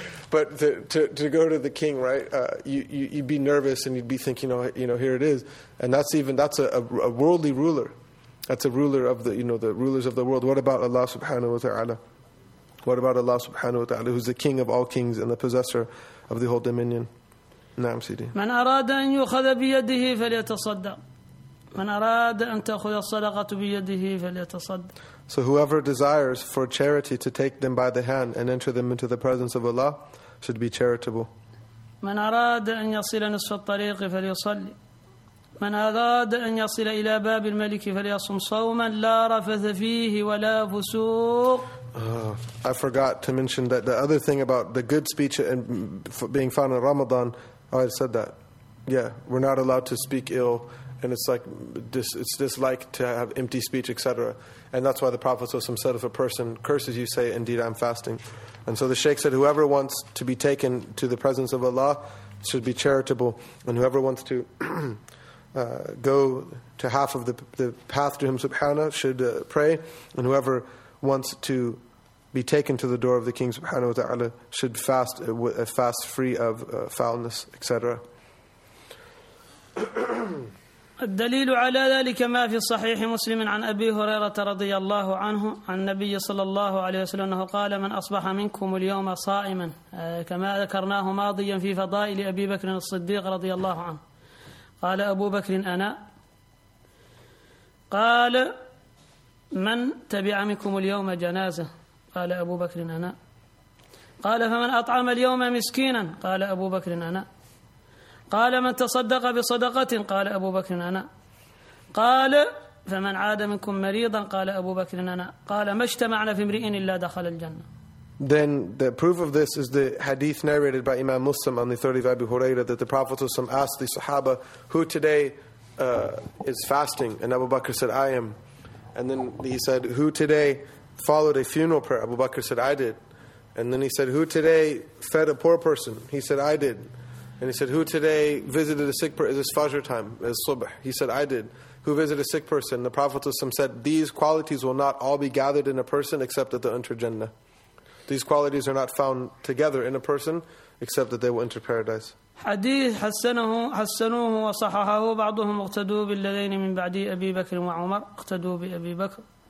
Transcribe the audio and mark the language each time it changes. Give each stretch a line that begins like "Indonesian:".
English: But to go to the king, right, you'd be nervous and you'd be thinking, oh, you know, here it is. And that's a worldly ruler. That's a ruler of the rulers of the world. What about Allah subhanahu wa ta'ala? What about Allah subhanahu wa ta'ala, who's the king of all kings and the possessor of the whole dominion?
Arabic: Naam, Sidi. من أراد أن يخذ بيده فليتصدق. من أراد أن تأخذ الصدقة بيده فليتصدق.
English: So whoever desires for charity to take them by the hand and enter them into the presence of Allah should be charitable.
Arabic: من أراد أن يصل نصف الطريق فليصلي. من أراد أن يصل إلى باب الملك فليصم صوما لا رفث فيه ولا فسوق.
English: I forgot to mention that the other thing about the good speech and being found in Ramadan. Oh, I said that. Yeah, we're not allowed to speak ill. And it's like it's disliked to have empty speech, etc. And that's why the Prophet ﷺ said, if a person curses you, say, indeed, I'm fasting. And so the Shaykh said, whoever wants to be taken to the presence of Allah should be charitable. And whoever wants to go to half of the path to Him, subhanahu, should pray. And whoever wants to be taken to the door of the King, subhanahu wa ta'ala, should fast, fast free of foulness, etc.
Arabic: الدليل على ذلك ما في صحيح مسلم عن أبي هريرة رضي الله عنه عن النبي صلى الله عليه وسلم أنه قال من أصبح منكم اليوم صائما كما ذكرناه ماضيا في فضائل أبي بكر الصديق رضي الله عنه قال أبو بكر أنا قال من تبع منكم اليوم جنازة قال أبو بكر أنا قال فمن أطعم اليوم مسكينا قال أبو بكر أنا قال من تصدق بصدقة قال أبو بكر أنا قال فمن عاد منكم مريضا قال أبو بكر أنا قال ما اجتمعنا في امرئ إلا دخل الجنة.
English: Then the proof of this is the hadith narrated by Imam Muslim on the authority of Abu Huraira, that the Prophet ﷺ asked the Sahaba, who today is fasting? And Abu Bakr said, I am. And then he said, who today followed a funeral prayer? Abu Bakr said, I did. And then he said, who today fed a poor person? He said, I did. And he said, who today visited a sick person? Is this Fajr time? Is Subh? He said, I did. Who visited a sick person? The Prophet ﷺ said, these qualities will not all be gathered in a person except that they'll enter Jannah. These qualities are not found together in a person except that they will enter paradise.
Arabic: حديث حسنوه وصححه بعضهم اقتدوا بالذين من بعدي أبي بكر وعمر اقتدوا بأبي بكر.